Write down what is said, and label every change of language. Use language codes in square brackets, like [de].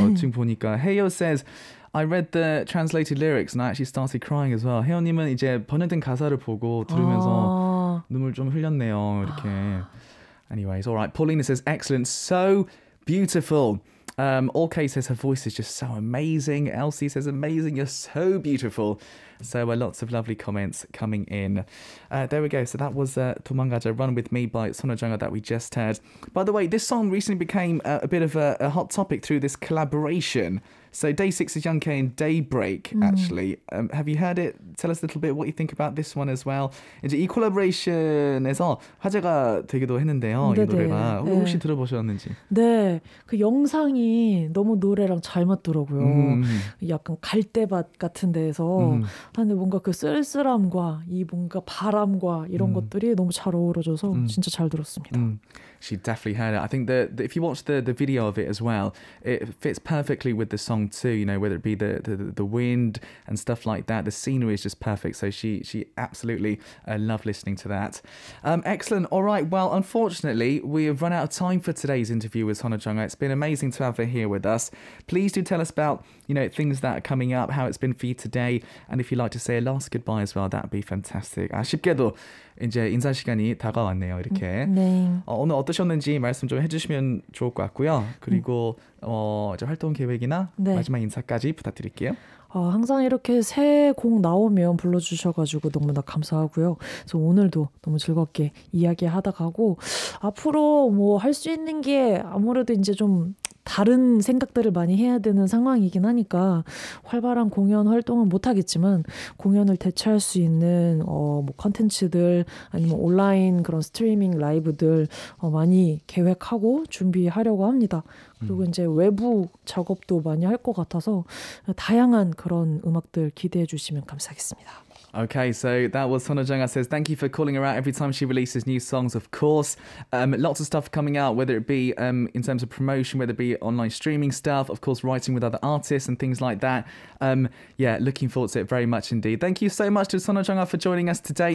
[ko] 지금 보니까 [en] Heyo says, I read the translated lyrics and I actually started crying as well. [ko] Heyo님은 이제 번역된 가사를 보고 들으면서 눈물 좀 흘렸네요. [en] 이렇게. Anyways, all right. Paulina says, excellent. So beautiful. All K says, her voice is just so amazing. Elsie says, amazing. You're so beautiful. So lots of lovely comments coming in. There we go. So that was 도망가자, Run With Me by 선우정아 that we just heard. By the way, this song recently became a bit of a hot topic through this collaboration. So Day 6 is Young K and Daybreak, actually. Have you heard it? Tell us a little bit what you think about this one as well. [ko] 이제 이 콜라보레이션에서 화제가 되기도 했는데요, 네, 이 노래가. 네. 혹시 네. 들어보셨는지? 네, 그 영상이 너무 노래랑 잘 맞더라고요. 약간 갈대밭 같은 데에서 하는데 뭔가 그 쓸쓸함과 이 뭔가 바람과 이런 것들이 너무 잘 어우러져서 진짜 잘 들었습니다. [en] She definitely heard it. I think that if you watch the video of it as well, it fits perfectly with the song too, you know, whether it be the wind and stuff like that. The scenery is just perfect. So she absolutely loved listening to that. Excellent. All right. Well, unfortunately, we have run out of time for today's interview with 선우정아. It's been amazing to have her here with us. Please do tell us about, you know, things that are coming up, how it's been for you today. And if you'd like to say a last goodbye as well, that'd be fantastic. [ko] 아쉽게도 이제 인사 시간이 다가왔네요, 이렇게. 네. 오늘 어떠셨는지 말씀 좀 해주시면 좋을 것 같고요. 그리고 이제 활동 계획이나 네. 마지막 인사까지 부탁드릴게요. 항상 이렇게 새 곡 나오면 불러주셔가지고 너무나 감사하고요. 그래서 오늘도 너무 즐겁게 이야기하다 가고 앞으로 뭐 할 수 있는 게 아무래도 이제 좀 다른 생각들을 많이 해야 되는 상황이긴 하니까 활발한 공연 활동은 못하겠지만 공연을 대체할 수 있는 뭐 컨텐츠들 아니면 온라인 그런 스트리밍 라이브들 많이 계획하고 준비하려고 합니다. 그리고 이제 외부 작업도 많이 할 것 같아서 다양한 그런 음악들 기대해 주시면 감사하겠습니다. [en] Okay, so that was 선우정아says, thank you for calling her out every time she releases new songs, of course. Lots of stuff coming out, whether it be in terms of promotion, whether it be online streaming stuff, of course, writing with other artists and things like that. Yeah, looking forward to it very much indeed. Thank you so much to 선우정아 for joining us today.